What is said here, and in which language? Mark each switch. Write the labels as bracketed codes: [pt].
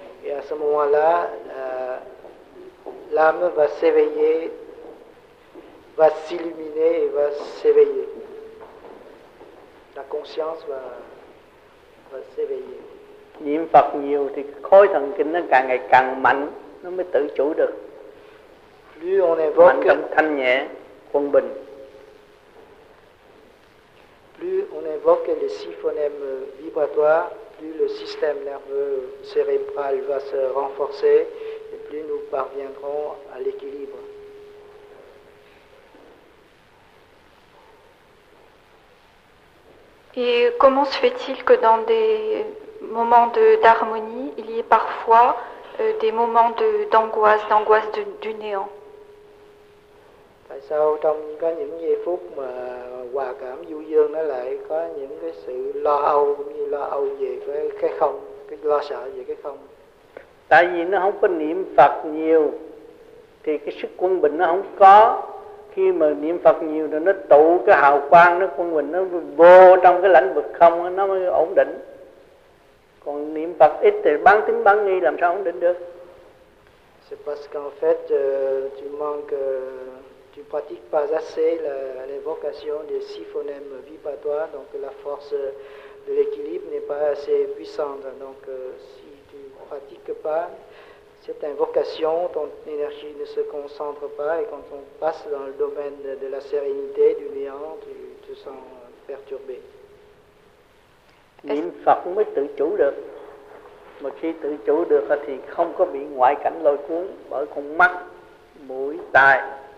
[fr] Et à ce moment-là, l'âme va s'éveiller, va s'illuminer et va s'éveiller. La conscience va s'éveiller. [vi] Niệm Phật nhiều thì khối thần kinh nó càng ngày càng mạnh, nó mới tự chủ được. [fr] Plus on invoque, [vi] mạnh trong thanh nhẹ, quân bình. [fr] Plus on invoque les six phonèmes vibratoires, plus le système nerveux cérébral va se renforcer et plus nous parviendrons à l'équilibre. Et comment se fait-il que dans des moments d'harmonie, il y ait parfois des moments d'angoisse du néant? [vi] Tại sao trong có những giây phút mà hòa cảm vui dương nó lại có những cái sự lo âu, cũng như lo âu về cái không, cái lo sợ về cái không? Tại vì nó không có niệm Phật nhiều thì cái sức quân bình nó không có. Khi mà niệm Phật nhiều thì nó tụ cái hào quang, nó quân bình nó vô trong cái lãnh vực không, nó mới ổn định. Còn niệm Phật ít thì bán tính bán nghi, làm sao ổn định được? [fr] C'est parce qu'en fait tu manques, tu pratiques pas assez l'évocation des six phonèmes vibratoires, donc la force de l'équilibre n'est pas assez puissante. Donc si tu ne pratiques pas cette invocation, ton énergie ne se concentre pas, et quand on passe dans le domaine de la sérénité, du néant, tu te sens perturbé. [vi] Niệm Phật mới tự chủ được. Mà khi tự chủ được thì không có bị ngoại cảnh lôi cuốn bởi con mắt, mũi, tai.